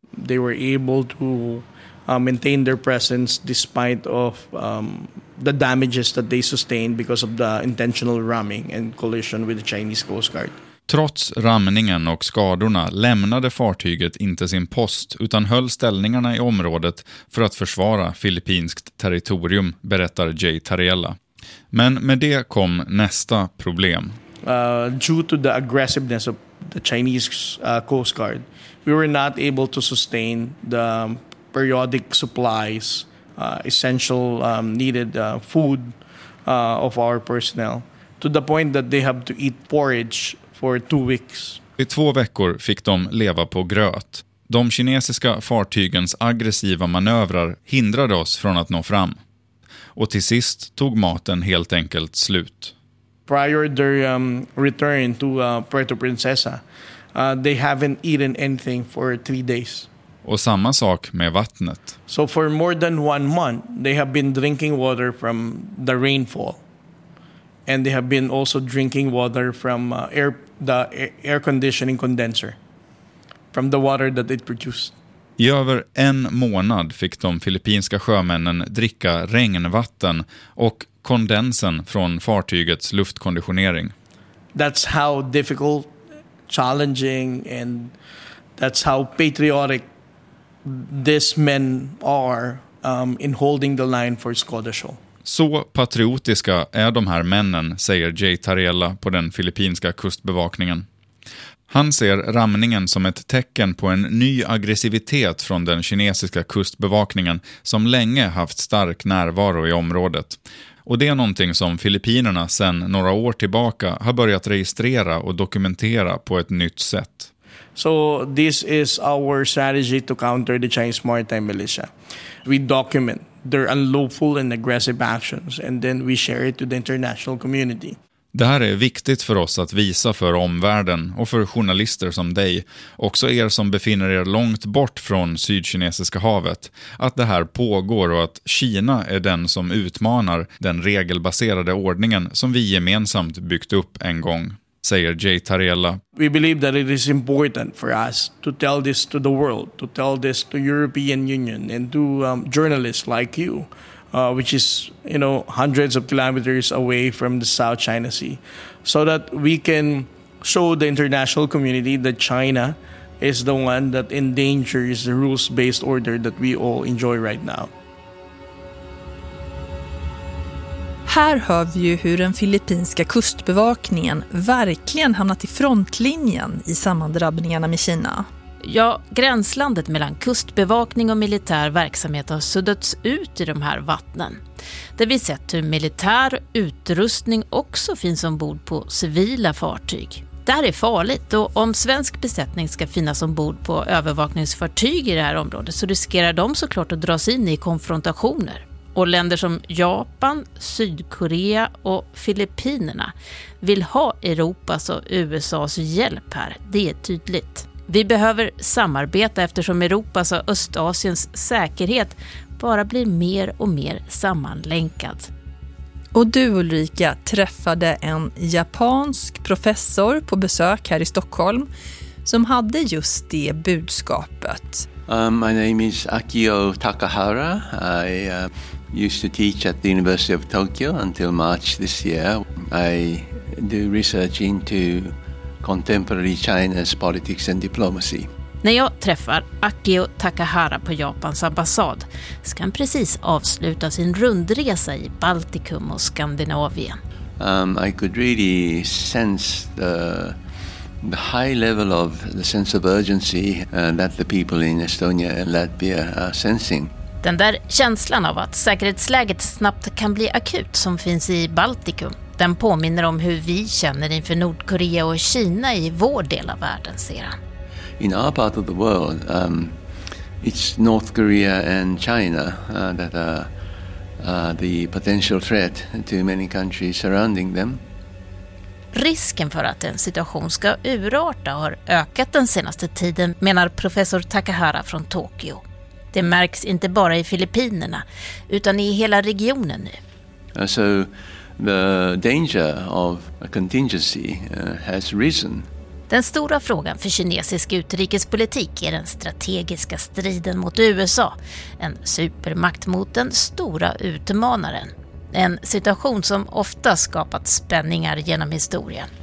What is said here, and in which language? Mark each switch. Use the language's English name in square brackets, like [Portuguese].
[English] They were able to maintain their presence despite of the damages that they sustained because of the intentional ramming and collision with the Chinese Coast Guard. [Swedish] Trots ramningen och skadorna lämnade fartyget inte sin post utan höll ställningarna i området för att försvara filippinskt territorium, berättar Jay Tariela. Men med det kom nästa problem. [English] Due to the aggressiveness of the Chinese Coast Guard, we were not able to sustain the periodic supplies, essential needed food of our personnel, to the point that they have to eat porridge for 2 weeks. [Swedish] I 2 veckor fick de leva på gröt. De kinesiska fartygens aggressiva manövrar hindrade oss från att nå fram. Och till sist tog maten helt enkelt slut. [English] Prior their return to Puerto Princesa, they haven't eaten anything for 3 days. [Swedish] Och samma sak med vattnet. [English] So for more than one month they have been drinking water from the rainfall. And they have been also drinking water from the air conditioning condenser. From the water that it produced. [Swedish] I över en månad fick de filippinska sjömännen dricka regnvatten och kondensen från fartygets luftkonditionering. [English] That's how difficult, challenging, and that's how patriotic these men are in holding the line for Scottish Hall. [Swedish] Så patriotiska är de här männen, säger Jay Tarella på den filippinska kustbevakningen. Han ser ramningen som ett tecken på en ny aggressivitet från den kinesiska kustbevakningen som länge haft stark närvaro i området. Och det är någonting som Filippinerna sedan några år tillbaka har börjat registrera och dokumentera på ett nytt sätt. [English] So this is our strategy to counter the Chinese maritime militia. We document their unlawful and aggressive actions and then we share it to the international community. [Swedish] Det här är viktigt för oss att visa för omvärlden och för journalister som dig, också er som befinner er långt bort från Sydkinesiska havet, att det här pågår och att Kina är den som utmanar den regelbaserade ordningen som vi gemensamt byggt upp en gång, säger Jay Tarella. [English] We believe that it is important for us to tell this to the world, to tell this to European Union and to journalists like you. Which is, you know, hundreds of kilometers away from the South China Sea, so that we can show the international community that China is the one that endangers the rules-based order that we all enjoy right now. [Swedish] Här hör vi ju hur den filippinska kustbevakningen verkligen hamnat i frontlinjen i sammandrabbningarna med Kina. Ja, gränslandet mellan kustbevakning och militär verksamhet har suddats ut i de här vattnen. Där vi sett hur militär utrustning också finns ombord på civila fartyg. Det här är farligt och om svensk besättning ska finnas ombord på övervakningsfartyg i det här området så riskerar de såklart att dras in i konfrontationer. Och länder som Japan, Sydkorea och Filippinerna vill ha Europas och USAs hjälp här. Det är tydligt. Vi behöver samarbeta eftersom Europas och Östasiens säkerhet bara blir mer och mer sammanlänkad. Och du Ulrika träffade en japansk professor på besök här i Stockholm som hade just det budskapet. [English] My name is Akio Takahara. I used to teach at the University of Tokyo until March this year. I do research into contemporary China's politics and diplomacy. [Swedish] När jag träffar Akio Takahara på Japans ambassad ska han precis avsluta sin rundresa i Baltikum och Skandinavien. [English] I could really sense the high level of the sense of urgency that the people in Estonia and Latvia are sensing. [Swedish] Den där känslan av att säkerhetsläget snabbt kan bli akut som finns i Baltikum. Den påminner om hur vi känner inför Nordkorea och Kina i vår del av världen, ser han. [English] In our part of the world, it's North Korea and China that are the potential threat to many countries surrounding them. [Swedish] Risken för att en situation ska urarta har ökat den senaste tiden, menar professor Takahara från Tokyo. Det märks inte bara i Filippinerna, utan i hela regionen nu. [English] So the danger of a contingency has risen. [Swedish] Den stora frågan för kinesisk utrikespolitik är den strategiska striden mot USA. En supermakt mot den stora utmanaren. En situation som ofta skapat spänningar genom historien.